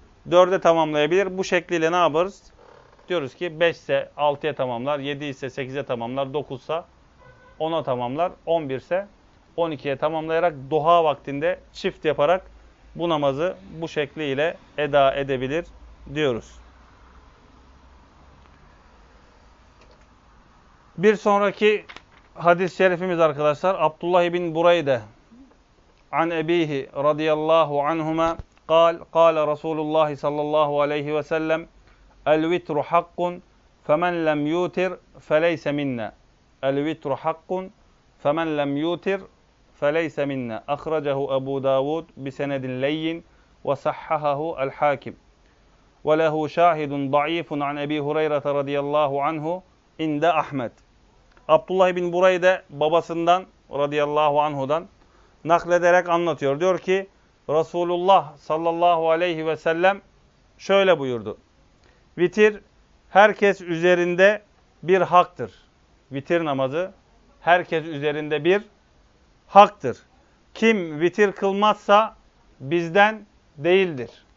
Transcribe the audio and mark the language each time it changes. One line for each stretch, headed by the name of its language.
Turkish: Dörde tamamlayabilir. Bu şekliyle ne yaparız? Diyoruz ki 5 ise 6'ya tamamlar, 7 ise 8'e tamamlar, 9 ise 10'a tamamlar, 11 ise 12'ye tamamlayarak duha vaktinde çift yaparak bu namazı bu şekliyle eda edebilir diyoruz. Bir sonraki hadis-i şerifimiz arkadaşlar
Arabic: Abdullah ibn Burayde an ebihi radiyallahu anhuma قال قال رسول الله صلى الله عليه وسلم الوتر حق فمن لم يوتر فليس منا الوتر حق فمن لم يوتر فليس منا أخرجه أبو داود بسند لين وَصَحَّهَهُ الْحَاكِمُ وَلَهُ شَاهِدٌ ضَعِيفٌ عَنْ اَب۪ي هُرَيْرَةَ رَضِيَ اللّٰهُ عَنْهُ اِنْدَ اَحْمَدٍ
Turkish: Abdullah bin Buray da babasından radıyallahu anhu'dan naklederek anlatıyor. Diyor ki Resulullah sallallahu aleyhi ve sellem şöyle buyurdu. Vitir herkes üzerinde bir haktır. Vitir namazı herkes üzerinde bir haktır. Kim vitir kılmazsa bizden değildir.